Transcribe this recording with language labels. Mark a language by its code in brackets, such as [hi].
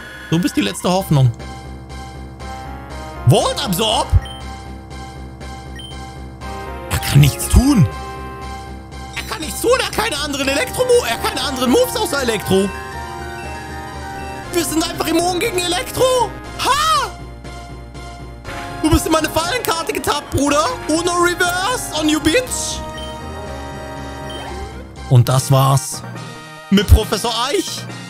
[de] Du bist die letzte Hoffnung. Volt Absorb? Er kann nichts tun. Er kann nichts tun. Er hat keine anderen Elektro-Moves. Er hat keine anderen Moves außer Elektro. Wir sind einfach immun gegen Elektro. Ha! Du bist in meine Fallenkarte getappt, Bruder. [en] Uno Reverse on you, bitch. [de] Und das war's mit Professor Eich.